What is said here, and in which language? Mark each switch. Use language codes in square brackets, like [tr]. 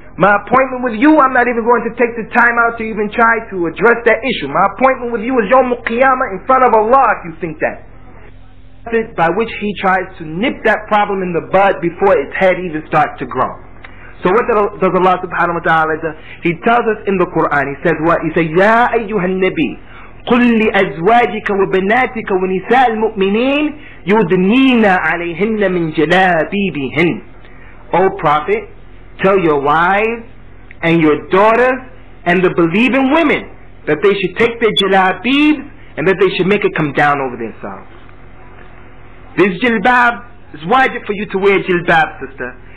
[en] My appointment with you, I'm not even going to take the time out to even try to address that issue. My appointment with you is Yawm al-Qiyamah in front of Allah if you think that. By which he tries to nip that problem in the bud before its head even starts to grow. So what does Allah subhanahu wa ta'ala do? He tells us in the Qur'an, he says what? He says, [ar] "Ya ayyuha al-Nabi, قُلْ لِأَزْوَاجِكَ وَبِنَاتِكَ وَنِسَاءَ الْمُؤْمِنِينَ يُدْنِينَ عَلَيْهِنَّ مِنْ جَلَابِيبِهِنَّ." [en] O Prophet, tell your wives and your daughters and the believing women that they should take their jilabibs and that they should make it come down over themselves. This jilbab is wajib for you to wear, jilbab, sister.